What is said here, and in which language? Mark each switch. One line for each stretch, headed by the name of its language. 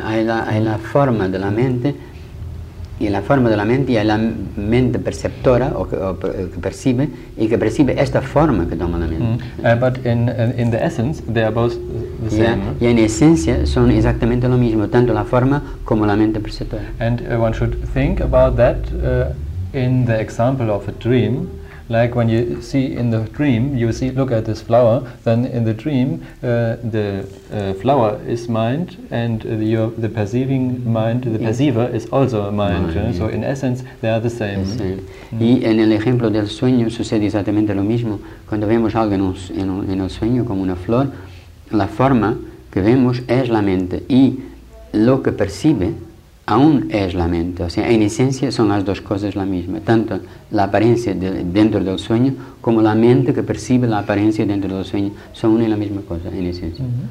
Spanish: Hay la forma de la mente, y la forma de la mente, y hay la mente perceptora que percibe, y que percibe esta forma que toma la mente.
English: But in the essence, they are both the same.
Spanish: Y en esencia son exactamente lo mismo, tanto la forma como la mente perceptora.
English: And one should think about that in the example of a dream, like when you see in the dream, you see, look at this flower, then in the dream, the flower is mind, and the perceiving mind, the perceiver is also a mind. Yeah. So in essence, they are the same. Sí. Mm.
Spanish: Y en el ejemplo del sueño sucede exactamente lo mismo. Cuando vemos algo en el sueño como una flor, la forma que vemos es la mente, y lo que percibe aún es la mente. O sea, en esencia son las dos cosas la misma, tanto la apariencia dentro del sueño como la mente que percibe la apariencia dentro del sueño son una y la misma cosa en esencia.